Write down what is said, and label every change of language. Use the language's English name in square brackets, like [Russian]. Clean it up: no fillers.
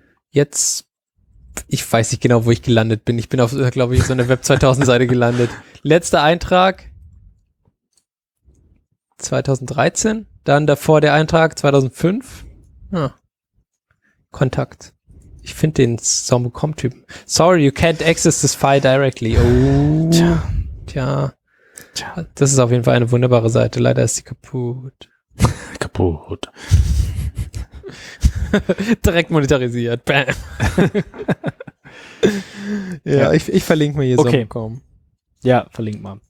[German] Jetzt, ich weiß nicht genau, wo ich gelandet bin. Ich bin auf, glaube ich, so eine Web 2000 Seite gelandet. Letzter Eintrag. 2013, dann davor der Eintrag 2005. Ah. Kontakt. Ich finde den Zombo.com-Typen. [English] Sorry, you can't access this file directly. Oh. Tja. [German] Das ist auf jeden Fall eine wunderbare Seite. Leider ist sie kaputt. Kaputt. Direkt monetarisiert. Bam. Ja, ich verlinke mir hier okay. Zombo.com. Ja, verlink mal.